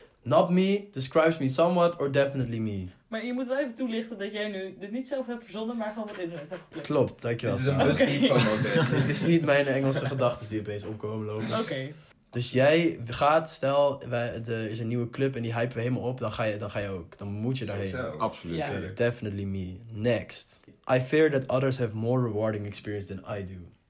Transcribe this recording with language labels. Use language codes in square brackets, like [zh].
[en] Not me, describes me somewhat or definitely me. [nl] Maar je moet wel even toelichten dat jij nu dit niet zelf hebt verzonnen, maar gewoon wat internet hebt geplukt. Klopt, dankjewel. Dit is een best niet FOMO-test. Dit is niet mijn Engelse gedachten die opeens opkomen lopen. Oké. Okay. Dus jij gaat, stel, er is een nieuwe club en die hypen we helemaal op, dan ga je ook. Dan moet je daarheen. Absoluut. Yeah. [en] Definitely me. Next. I fear that others have more rewarding experience than I do.